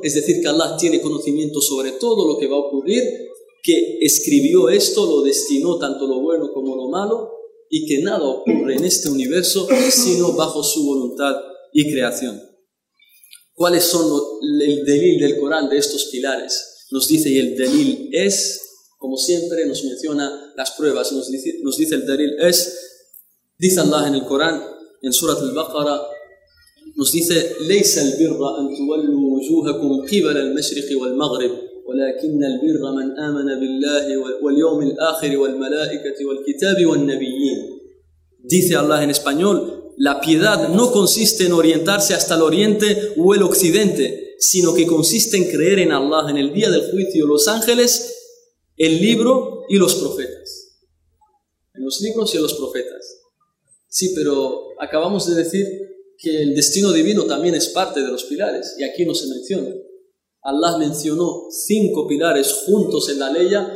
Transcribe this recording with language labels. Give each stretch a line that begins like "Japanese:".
Spanish: Es decir, que Allah tiene conocimiento sobre todo lo que va a ocurrir, que escribió esto, lo destinó tanto lo bueno como lo malo, y que nada ocurre en este universo sino bajo su voluntad y creación. ¿Cuáles son el delil del Corán de estos pilares? Nos dice, y el delil es, como siempre, nos menciona las pruebas. Nos dice el delil es, dice Allah en el Corán, en Surat al-Baqarah, nos dice,
Arabic: ليس البر أن تولوا وجوهكم قبل المشرق والمغرب ولكن البر من آمن بالله واليوم الآخر والملائكة والكتاب والنبيين.
Spanish: Dice Allah en español, la piedad no consiste en orientarse hasta el oriente o el occidente, sino que consiste en creer en Allah, en el día del juicio, los ángeles, el libro y los profetas. En los libros y en los profetas. Sí, pero acabamos de decir que el destino divino también es parte de los pilares, y aquí no se menciona. Allah mencionó cinco pilares juntos en la ley